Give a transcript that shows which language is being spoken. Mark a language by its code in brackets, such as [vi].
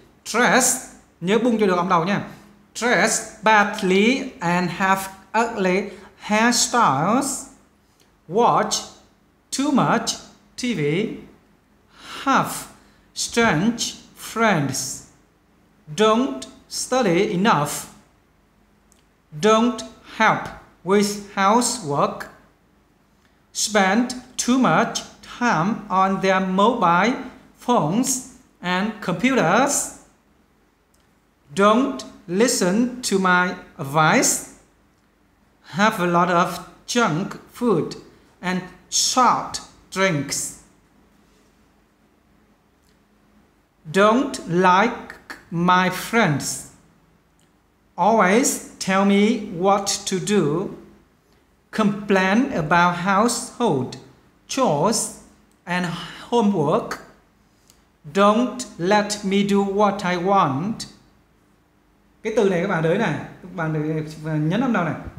[vi] Dress, nhớ bung cho được âm đầu nha. [en] Dress badly and have ugly hairstyles. Watch too much TV. Have strange friends. Don't study enough. Don't help with housework. Spend too much time on their mobile phones and computers. Don't listen to my advice. Have a lot of junk food and soft drinks. Don't like my friends. Always tell me what to do. Complain about household chores and homework. Don't let me do what I want. [vi] Cái từ này các bạn đợi này, các bạn nhấn âm đầu này.